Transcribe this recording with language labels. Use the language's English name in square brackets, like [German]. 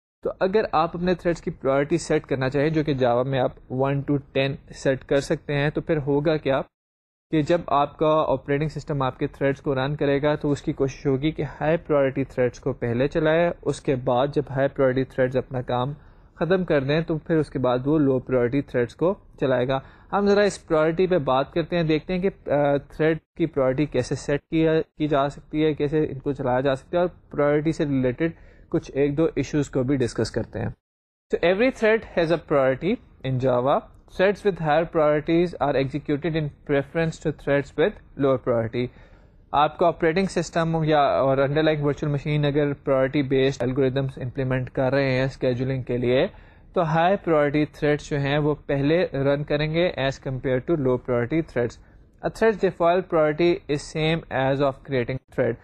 [Urdu] تو اگر آپ اپنے تھریڈس کی پرائیورٹی سیٹ کرنا چاہیں, جو کہ جاوا میں آپ 1 to 10 سیٹ کر سکتے ہیں, تو پھر ہوگا کیا کہ جب آپ کا آپریٹنگ سسٹم آپ کے تھریڈس کو رن کرے گا تو اس کی کوشش ہوگی کہ ہائی پرائیورٹی تھریڈس کو پہلے چلائے, اس کے بعد جب ہائی پرائیورٹی تھریڈس اپنا کام ختم کر دیں تو پھر اس کے بعد وہ لو پرائیورٹی تھریڈس کو چلائے گا. ہم ذرا اس پرائیورٹی پہ بات کرتے ہیں, دیکھتے ہیں کہ تھریڈ کی پرائیورٹی کیسے سیٹ کی جا سکتی ہے, کیسے ان کو چلایا جا سکتا ہے, اور پرائیورٹی سے ریلیٹڈ کچھ ایک دو ایشوز کو بھی ڈسکس کرتے ہیں. [English] تو every thread has a priority in Java. Threads with higher priorities are executed in preference to threads with lower priority. [Urdu] آپ کا آپریٹنگ سسٹم یا اور انڈر لائن ورچوئل مشین اگر پرائرٹی بیسڈ الگوریدمس امپلیمنٹ کر رہے ہیں اسکیجولنگ کے لیے, تو ہائی پرائرٹی تھریڈس جو ہیں وہ پہلے رن کریں گے [English] as compare to [Urdu] low priority threads. [English] Thread default priority is same as of creating thread.